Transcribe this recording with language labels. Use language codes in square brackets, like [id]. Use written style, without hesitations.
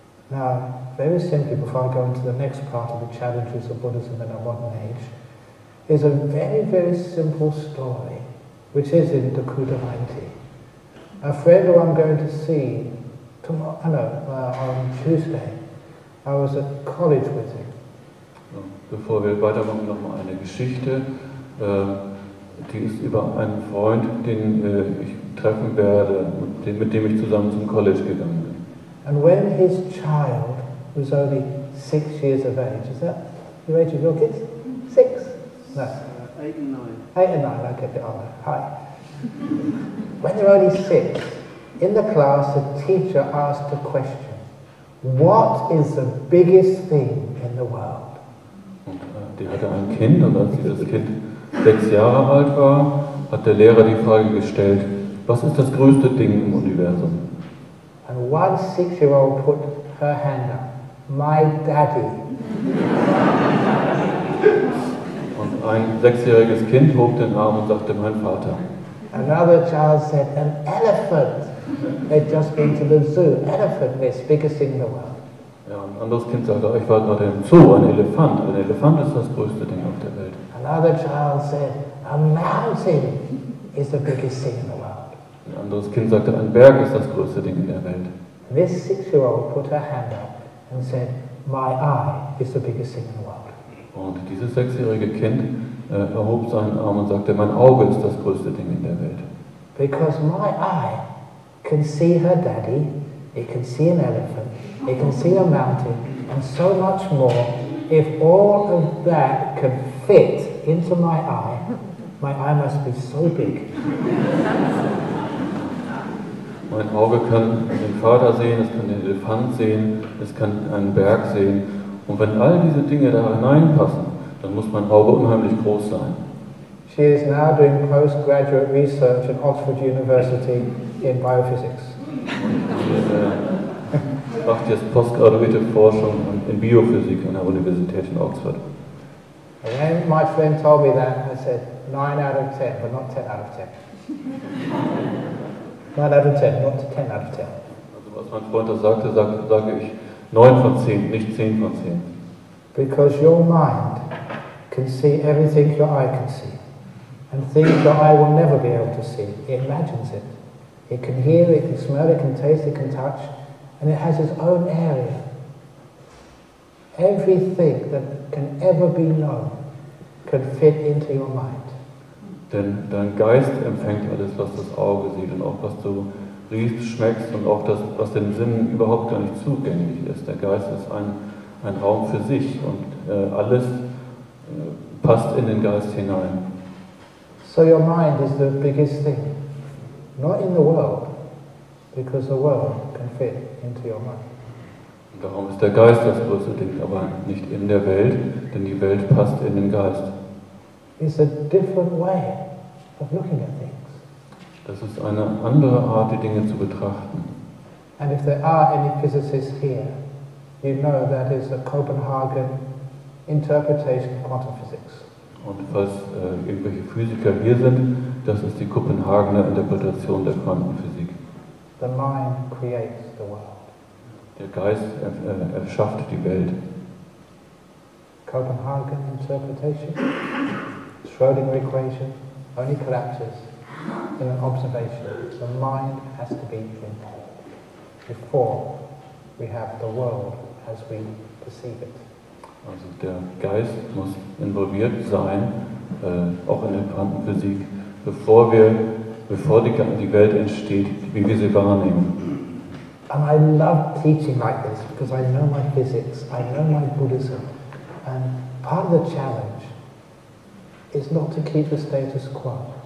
[en] Now, very simply, before I go into the next part of the challenges of Buddhism in our modern age, is a very, very simple story, which is in Dakota 90. A friend who I'm going to see on Tuesday, I was at college with him. [de] Bevor wir weitermachen, noch mal eine Geschichte. Die ist über einen Freund, den ich treffen werde, mit dem ich zusammen zum College gegangen bin. [en] And when his child was only 6 years of age, is that the age of your kids? Six? No. Eight and nine, I get it on there. Hi. When they're only six, in the class, the teacher asked a question. What is the biggest thing in the world? [de] Die hatte ein Kind, und als dieses Kind 6 Jahre alt war, hat der Lehrer die Frage gestellt, was ist das größte Ding im Universum? [en] And one six-year-old put her hand up. My daddy. [de] Und ein sechsjähriges Kind hob den Arm und sagte, mein Vater. [en] Another child said, an elephant. They'd just been to the zoo. Elephant, miss, biggest thing in the world. [de] Ja, ein anderes Kind sagte, ich war gerade im Zoo, ein Elefant. Ein Elefant ist das größte Ding auf der Welt. [en] Another child said, a mountain is the biggest thing in the world. [de] Ein anderes Kind sagte, ein Berg ist das größte Ding in der Welt. [en] This six-year-old put her hand up and said, my eye is the biggest thing in the world. [de] Und dieses sechsjährige Kind erhob seinen Arm und sagte, mein Auge ist das größte Ding in der Welt. [en] Because my eye can see her daddy, it can see an elephant, it can see a mountain, and so much more. If all of that can fit into my eye must be so big. [de] Mein Auge kann den Vater sehen, es kann den Elefant sehen, es kann einen Berg sehen. Und wenn all diese Dinge da hineinpassen, dann muss mein Auge unheimlich groß sein. [en] She is now doing postgraduate research at Oxford University in biophysics. [de] Sie macht jetzt postgraduierte Forschung in Biophysik an der Universität in Oxford. [en] And then my friend told me that and I said, 9 out of 10, but not 10 out of 10. 9 out of 10, not 10 out of 10. [de] Also was mein Freund da sagte, sage ich 9 von 10, nicht 10 von 10. [en] Because your mind can see everything your eye can see. And things your eye will never be able to see. It imagines it. It can hear, it can smell, it can taste, it can touch. And it has its own area. Everything that can ever be known can fit into your mind. [de] Denn dein Geist empfängt alles, was das Auge sieht und auch was du riechst, schmeckst und auch das, was den Sinnen überhaupt gar nicht zugänglich ist. Der Geist ist ein Raum für sich und alles passt in den Geist hinein. [en] So your mind is the biggest thing, not in the world, because the world can fit into your mind. [de] Darum ist der Geist das größte Ding, aber nicht in der Welt, denn die Welt passt in den Geist. [en] It's a different way of looking at things. [de] Das ist eine andere Art, die Dinge zu betrachten. [en] And if there are any physicists here, you know that is a Copenhagen interpretation of quantum physics. [de] Und falls irgendwelche Physiker hier sind, das ist die Kopenhagener Interpretation der Quantenphysik. [en] The mind creates the world. [de] Der Geist erschafft die Welt. [en] Copenhagen interpretation, Schrödinger equation, only collapses in an observation. The mind has to be involved before we have the world as we perceive it. [de] Also der Geist muss involviert sein, auch in der Quantenphysik, bevor die Welt entsteht, wie wir sie wahrnehmen. [en] And I love teaching like this because I know my physics, I know my Buddhism, and part of the challenge is not to keep the status quo.